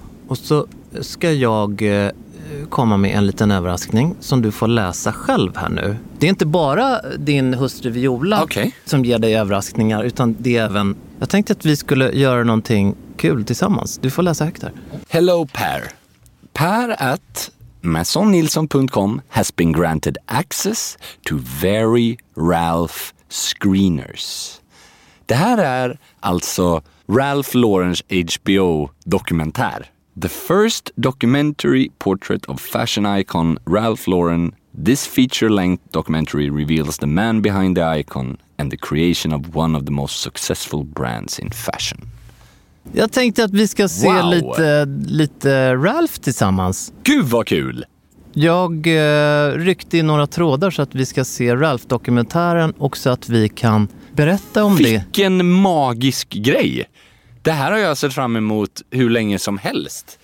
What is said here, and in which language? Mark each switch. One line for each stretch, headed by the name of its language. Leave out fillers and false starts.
Swedish: Och så ska jag komma med en liten överraskning som du får läsa själv här nu. Det är inte bara din hustru Viola som ger dig överraskningar, utan det är även... Jag tänkte att vi skulle göra någonting kul tillsammans. Du får läsa högt här.
English: Hello Per. Per at masonnilsson.com has been granted access to Very Ralph screeners.
Swedish: Det här är alltså Ralph Laurens HBO-dokumentär.
English: The first documentary portrait of fashion icon Ralph Lauren. This feature-length documentary reveals the man behind the icon and the creation of one of the most successful brands in fashion.
Swedish: Jag tänkte att vi ska se lite Ralph tillsammans. Gud vad kul! Jag ryckte i några trådar så att vi ska se Ralph-dokumentären och så att vi kan berätta om vilken det. Vilken magisk grej! Det här har jag sett fram emot hur länge som helst.